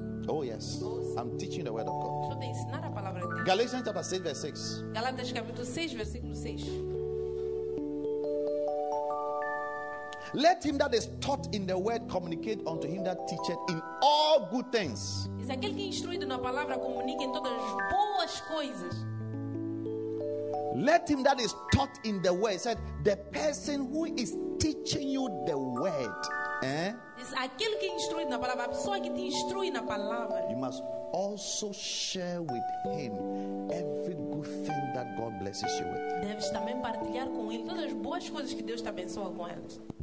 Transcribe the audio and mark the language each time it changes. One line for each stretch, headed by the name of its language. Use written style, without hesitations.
English: Oh yes, I'm teaching the word of God.
Portuguese: Estou a ensinar a palavra de Deus.
English: Galatians chapter 6 verse 6.
Portuguese: Galatas capítulo 6 versículo 6.
English: Let him that is taught in the word communicate unto him that teacheth in all good things.
Portuguese: Isso é aquele que é instruído na palavra comunique em todas as boas coisas.
English: Let him that is taught in the word, said the person who is teaching you the word, eh?
Portuguese: Aquele que instrui na palavra, a pessoa que te instrui na palavra.
English: You must also share with him every good thing that God blesses you with.
Portuguese: Deves também partilhar com ele todas as boas coisas que Deus te abençoa com elas.